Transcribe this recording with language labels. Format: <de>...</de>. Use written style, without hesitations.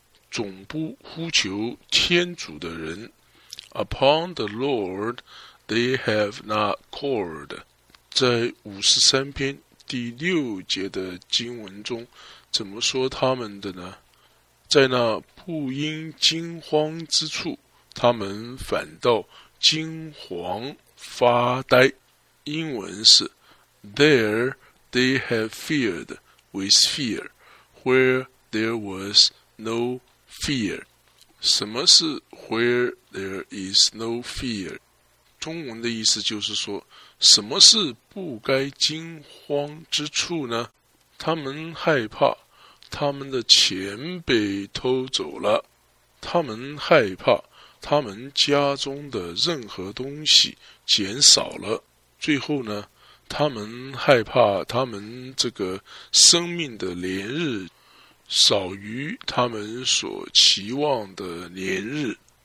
<zh>总不呼求天主的人</zh> <en>，Upon the Lord they have not called。</en> <zh>在53篇第六节的经文中，怎么说他们的呢？在那不因惊慌之处，他们反倒惊惶发呆。英文是</zh> <en>There they have feared with fear, where there was no fear。</en> <zh>什么是</zh> <en>where there is no fear？</en> <zh>中文的意思就是说，什么是不该惊慌之处呢？他们害怕他们的钱被偷走了，他们害怕他们家中的任何东西减少了，最后呢，他们害怕他们这个生命的年日少于他们所期望的年日。</zh>